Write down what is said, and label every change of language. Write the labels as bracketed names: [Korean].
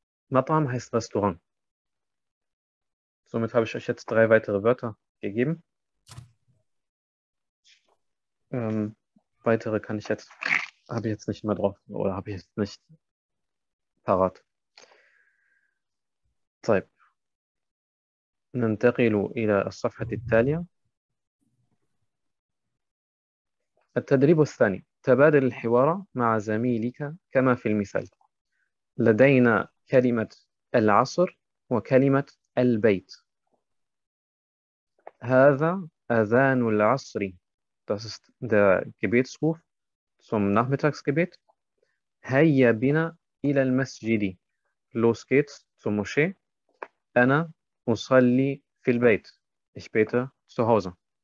[German] Mat'am heißt Restaurant. Somit habe ich euch jetzt drei weitere Wörter gegeben. Weitere kann ich jetzt, habe ich jetzt nicht mehr drauf oder habe ich jetzt nicht parat. [Arabic] طيب. ننتقل إلى الصفحة التالية. التدريب الثاني. تبادل الحوار مع زميلك كما في المثال. لدينا كلمة العصر وكلمة البيت. هذا أذان العصر. [German] Das ist der Gebetsruf zum Nachmittagsgebet. [Arabic] Hayya bina ila al-masjidi. [German] Los geht's zur Moschee. [Arabic] Ana usalli fil bayt. [German] Ich bete zu Hause.